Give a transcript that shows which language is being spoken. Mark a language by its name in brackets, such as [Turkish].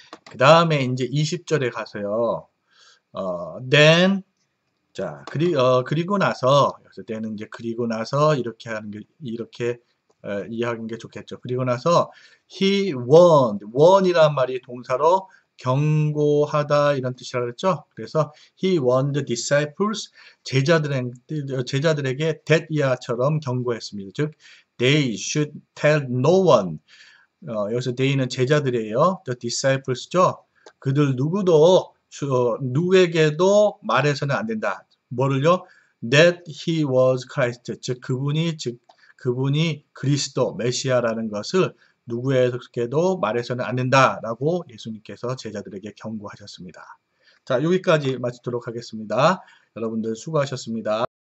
[Korean] 그 다음에 이제 20절에 가서요. then 자, 그리고 나서, 여기서 때는 이제 그리고 나서 이렇게 하는 게, 이렇게 이해하는 게 좋겠죠. 그리고 나서, [English] he warned, [Korean] warn이란 말이 동사로 경고하다 이런 뜻이라고 했죠. 그래서 [English] he warned disciples, [Korean] 제자들에게 that 이하처럼 경고했습니다. 즉, [English] they should tell no one. [Korean] 여기서 they는 제자들이에요. [English] The disciples죠. [Korean] 그들 누구도, 누구에게도 말해서는 안 된다. 뭐를요? [English] That he was Christ. [Korean] 즉, 그분이 그리스도, 메시아라는 것을 누구에게도 말해서는 안 된다라고 예수님께서 제자들에게 경고하셨습니다. 자, 여기까지 마치도록 하겠습니다. 여러분들 수고하셨습니다.